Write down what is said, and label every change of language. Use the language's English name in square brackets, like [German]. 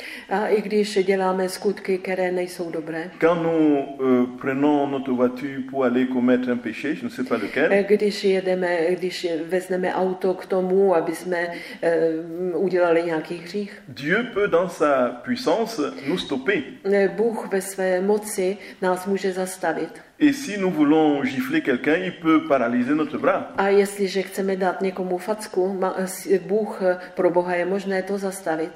[Czech] a i když děláme skutky, které nejsou dobré, [French] quand nous prenons notre voiture pour aller commettre un péché, je ne sais pas lequel, [Czech] když vezmeme auto k tomu, aby jsme udělali nějaký hřích, [French] Dieu peut dans sa puissance nous stopper. [Czech] Bůh ve své moci nás může zastavit. [French] Et si nous voulons gifler quelqu'un, il peut paralyser notre bras. [Czech] A jestliže chceme dát někomu facku, Bůh pro Boha je možné to zastavit.